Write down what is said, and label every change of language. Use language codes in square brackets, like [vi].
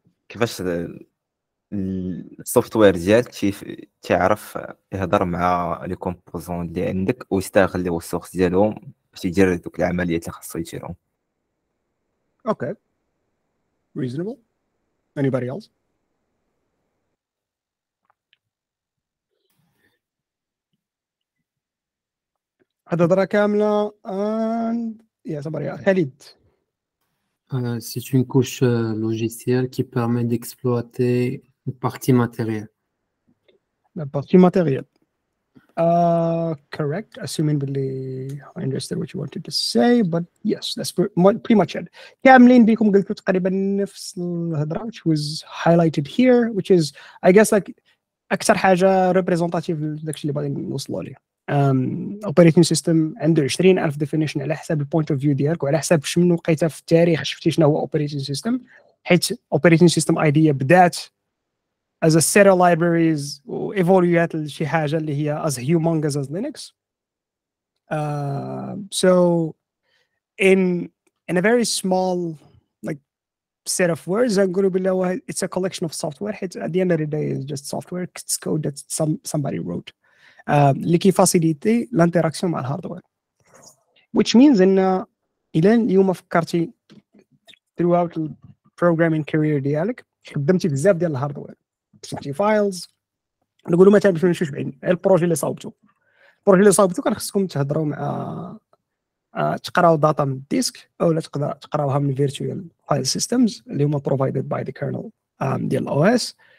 [ar] كيفاش السوفت وير ديالك تعرف يهضر مع لي كومبوزون اللي عندك ويستغل لي ريسورس ديالهم باش يدير دوك العمليات اللي خاصو يديرهم. [en] Okay reasonable. Anybody else? [ar] هذا درا كامله. اند يا صبر يا خالد. [fr] C'est une couche logicielle qui permet d'exploiter une partie matérielle. La partie matérielle. Correct. [en] Assuming that I understood what you wanted to say, but yes, that's pretty much it. [ar] Kamlin, بكم قلتوا تقريبا نفس الهضره, [en] which was highlighted here, which is, I guess, like [ar] أكثر حاجة representative داكشي اللي بغينا نوصلوا ليه. Operating system عنده 20,000 definition على حساب point of view ديالك وعلى حساب شنو لقيتها في التاريخ شفتي شنو هو operating system. حيت operating system idea بدات [en] as a set of libraries [ar] و evolved لشي حاجة اللي هي [en] as humongous as Linux. So in a very small like set of words, it's a collection of software. At the end of the day, it's just software. It's code that somebody wrote. [ar] لكي فاسيليتي الانتراكسيون مع الهاردوير, [en] which means [ar] ان الى اليوم فكرتي [en] throughout the programming career [ar] ديالك خدمتي بزاف ديال الهاردوير, كتبتي فايلز, نقولوا مثلا باش نمشيو بعيد البروجي اللي صاوبتو, البروجي اللي صاوبتو كان خصكم تهضروا مع تقراو داتا من الديسك او لا تقدر تقراوها من فيرتوال فايل سيستمز اللي هما [en] provided by the kernel [ar] ديال الاو اس.